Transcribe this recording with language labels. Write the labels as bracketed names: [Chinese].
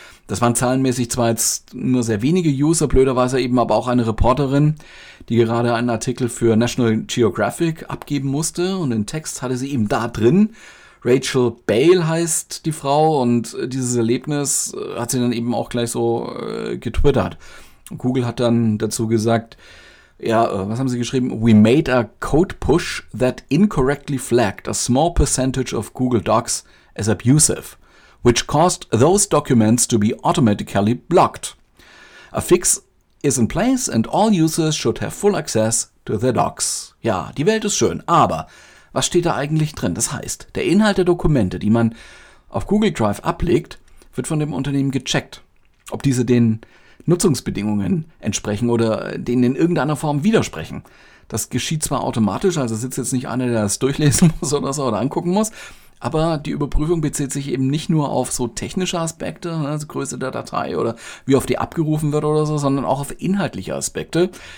[German] Das waren zahlenmäßig zwar jetzt nur sehr wenige User, blöderweise eben aber auch eine Reporterin, die gerade einen Artikel für National Geographic abgeben musste und den Text hatte sie eben da drin. Rachel Bale heißt die Frau und dieses Erlebnis hat sie dann eben auch gleich so getwittert. Google hat dann dazu gesagt, ja, was haben sie geschrieben? [English] We made a code push that incorrectly flagged a small percentage of Google Docs as abusive, which caused those documents to be automatically blocked. A fix is in place and all users should have full access to their docs. [German] Ja, die Welt ist schön, aber was steht da eigentlich drin? Das heißt, der Inhalt der Dokumente, die man auf Google Drive ablegt, wird von dem Unternehmen gecheckt, ob diese den Nutzungsbedingungen entsprechen oder denen in irgendeiner Form widersprechen. Das geschieht zwar automatisch, also sitzt jetzt nicht einer, der das durchlesen muss oder so oder angucken muss, aber die Überprüfung bezieht sich eben nicht nur auf so technische Aspekte, also Größe der Datei oder wie oft die abgerufen wird oder so, sondern auch auf inhaltliche Aspekte.